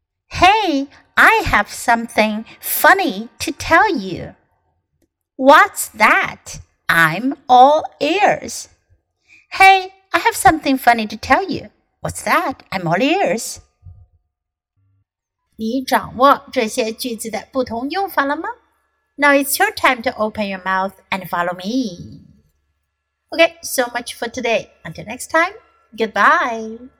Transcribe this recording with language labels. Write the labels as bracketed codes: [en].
[en] Hey, I have something funny to tell you. What's that? I'm all ears. Hey, I have something funny to tell you. What's that? I'm all ears. [zh] 你掌握这些句子的不同用法了吗？ [en] Now it's your time to open your mouth and follow me. Okay, so much for today. Until next time, goodbye.